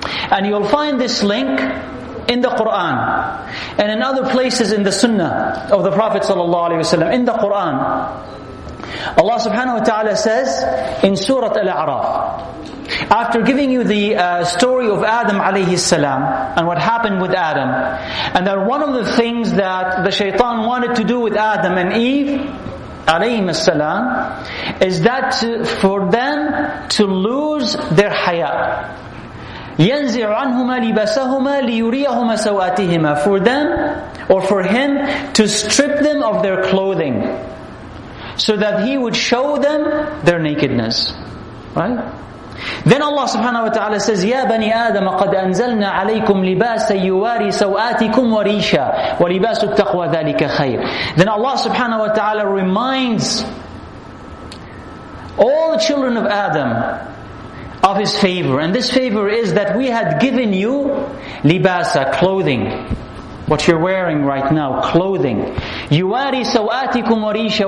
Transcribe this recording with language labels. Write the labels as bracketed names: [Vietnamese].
[English] And you'll find this link in the Qur'an and in other places in the sunnah of the Prophet ﷺ. In the Qur'an, Allah subhanahu wa ta'ala says in Surah Al-A'raf, after giving you the story of Adam alayhi salam and what happened with Adam, and that one of the things that the shaitan wanted to do with Adam and Eve alayhim as-salam is that for them to lose their haya. [Arabic] يَنْزِعْ عَنْهُمَا لِبَسَهُمَا لِيُرِيَهُمَا سَوْآتِهِمَا, [English] for them or for him to strip them of their clothing so that he would show them their nakedness. Right? Then Allah subhanahu wa ta'ala says, [Arabic] يَا بَنِي آدَمَ قَدْ أَنزَلْنَا عَلَيْكُمْ لِبَاسًا يُوَارِي سَوْآتِكُمْ وَرِيشًا وَلِبَاسُ التَّقْوَى ذَلِكَ خَيْرٌ. [English] Then Allah subhanahu wa ta'ala reminds all the children of Adam of his favor. And this favor is that we had given you libasa, clothing. What you're wearing right now, clothing. [Arabic] يُوَارِي سَوْآتِكُمْ وَرِيشًا.